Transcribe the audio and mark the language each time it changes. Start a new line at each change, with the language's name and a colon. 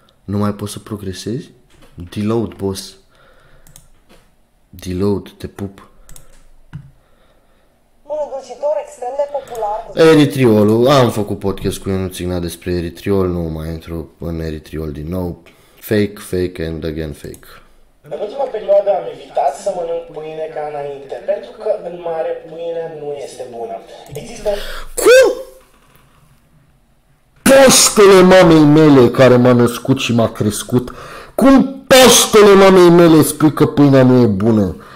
Romanian: Nu mai poți să progresezi? Deload, boss. Deload, te pup. Un îngrășitor extrem de popular. Eritriolul. Am făcut podcast cu Ionuț Ignat despre eritriol. Nu mai intru în eritriol din nou.
English: Fake, fake and again fake.
Romanian: În ultima perioadă am evitat să mănânc pâine ca înainte, pentru că în mare pâine nu este bună. Există... Cu? Poștele mamei mele care m-a născut și m-a crescut. Cum paștele mamei mele spui că pâinea nu e bună?